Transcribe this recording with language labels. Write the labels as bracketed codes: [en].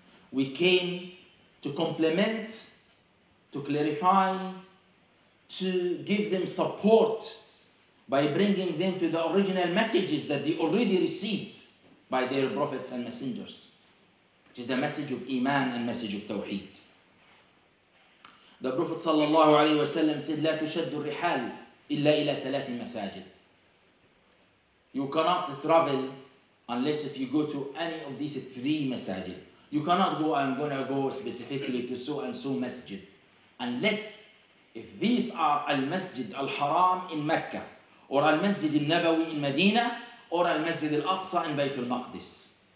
[en] We came to complement, to clarify, to give them support by bringing them to the original messages that they already received by their prophets and messengers, which is the message of Iman and message of Tawheed. The Prophet [ar] sallallahu alaihi wasallam [en] said, [ar] لا تشد الرحال إلا إلى ثلاث مساجد. [en] You cannot travel unless if you go to any of these three masajid. You cannot go, I'm going to go specifically to so and so masjid. Unless if these are Al-Masjid Al-Haram in Mecca, or Al-Masjid Al-Nabawi in Medina, or Al-Masjid Al-Aqsa in Baytul Maqdis.